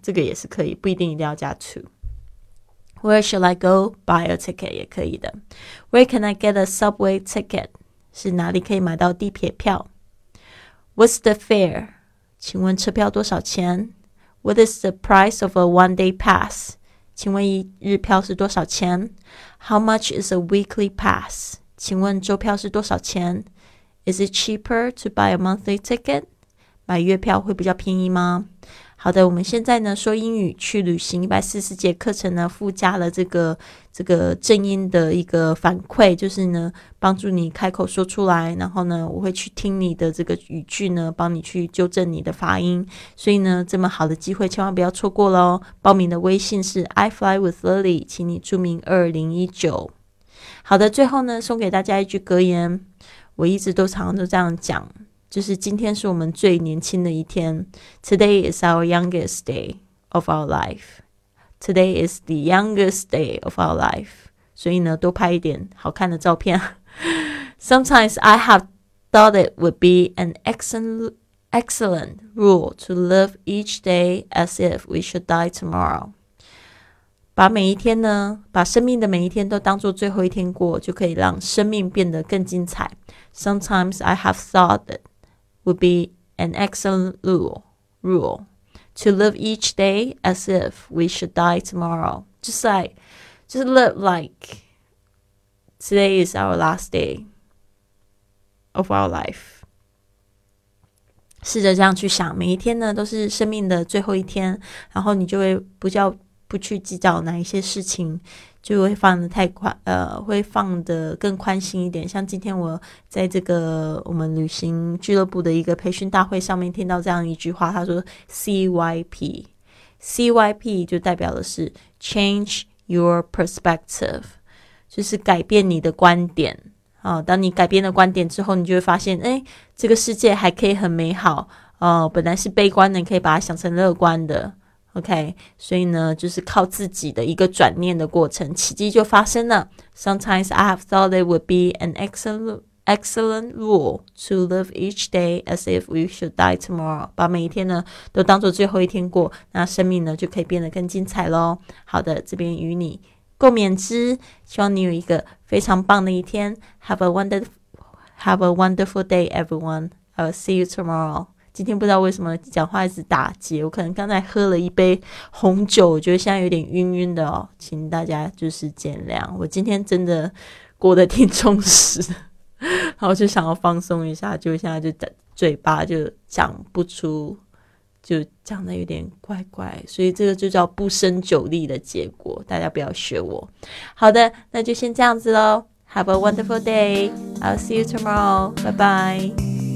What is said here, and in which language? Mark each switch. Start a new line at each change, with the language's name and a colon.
Chinese: 这个也是可以，不一定一定要加 to.
English: Where should I go buy a ticket?
Chinese: 也可以的。
English: Where can I get a subway ticket?
Chinese: 是哪里可以买到地铁票？
English: What's the fare?
Chinese: 请问车票多少钱？
English: What is the price of a one day pass?
Chinese: 请问一日票是多少钱？
English: How much is a weekly pass?
Chinese: 请问周票是多少钱？
English: Is it cheaper to buy a monthly ticket?
Chinese: 买月票会比较便宜吗？好的，我们现在呢说英语去旅行140节课程呢附加了这个正音的一个反馈，就是呢帮助你开口说出来，然后呢我会去听你的这个语句呢帮你去纠正你的发音，所以呢这么好的机会千万不要错过咯。报名的微信是 iFlyWithLily， 请你注明2019。好的，最后呢送给大家一句格言，我一直都常常都这样讲，就是今天是我们最年轻的一天。
English: Today is our youngest day of our life. Today is the youngest day of our life.
Chinese: 所以呢多拍一点好看的照片。
English: Sometimes I have thought it would be an excellent rule to live each day as if we should die tomorrow.
Chinese: 把每一天呢，把生命的每一天都当作最后一天过，就可以让生命变得更精彩。
English: Sometimes I have thought itwould be an excellent rule to live each day as if we should die tomorrow. Just live like today is our last day of our life.
Chinese: 试着这样去想，每一天呢都是生命的最后一天，然后你就会不去计较哪一些事情，就会放得太宽，会放得更宽心一点。像今天我在这个我们旅行俱乐部的一个培训大会上面听到这样一句话，他说 CYP 就代表的是 Change Your Perspective， 就是改变你的观点、哦、当你改变了观点之后，你就会发现诶，这个世界还可以很美好、哦、本来是悲观的，你可以把它想成乐观的。 OK， 所以呢就是靠自己的一个转念的过程，奇迹就发生了。
English: Sometimes I have thought it would be an excellent rule to live each day as if we should die tomorrow，
Chinese: 把每一天呢都当作最后一天过，那生命呢就可以变得更精彩咯。好的，这边与你共勉之，希望你有一个非常棒的一天。
English: Have a wonderful day everyone. I will see you tomorrow。
Chinese: 今天不知道为什么讲话一直打结，我可能刚才喝了一杯红酒，我觉得现在有点晕晕的哦，请大家就是见谅，我今天真的过得挺充实，然后就想要放松一下，就现在就嘴巴就讲不出，就讲的有点怪怪，所以这个就叫不胜酒力的结果，大家不要学我。好的，那就先这样子咯。
English: Have a wonderful day. I'll see you tomorrow. Bye bye.